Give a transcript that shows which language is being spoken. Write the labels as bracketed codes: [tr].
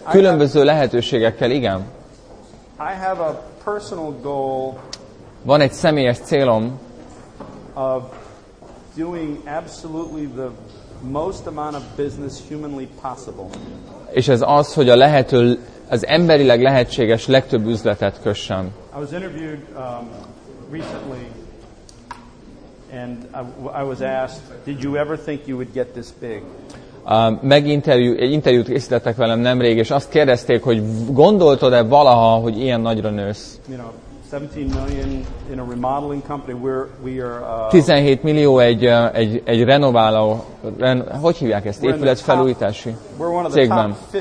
[hu] Különböző lehetőségekkel, igen. [en] I have a personal goal. [hu] Van egy személyes célom. [en] Of doing absolutely the most amount of business humanly possible. [hu] És ez az, hogy a lehető, az emberileg lehetséges legtöbb üzletet kössem. [en] I was interviewed recently, and I was asked, did you ever think you would get this big? [hu] Egy interjút készítettek velem nemrég, és azt kérdezték, hogy gondoltod-e valaha, hogy ilyen nagyra nősz? [en] You know, 17 million in a remodeling company. We are [hu] 17 millió egy renováló, hogy hívják ezt, épületfelújítási cégben.